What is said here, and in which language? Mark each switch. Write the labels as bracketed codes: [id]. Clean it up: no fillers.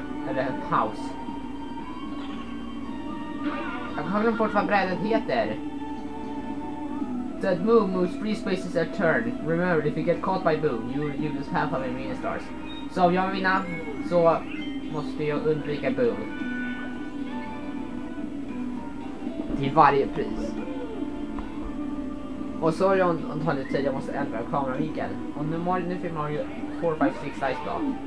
[sv] Eller House. Jag har glömt bort vad brädet heter. [en] That move moves 3 spaces a turn. Remember, if you get caught by Boo, you lose half of your mini stars. [sv] Så om jag vinner så måste jag undvika Boo. Till varje pris. Och så har jag antagligen tid, jag måste ändra kameravinkeln. Och nu får man ju 4-5-6 dice block.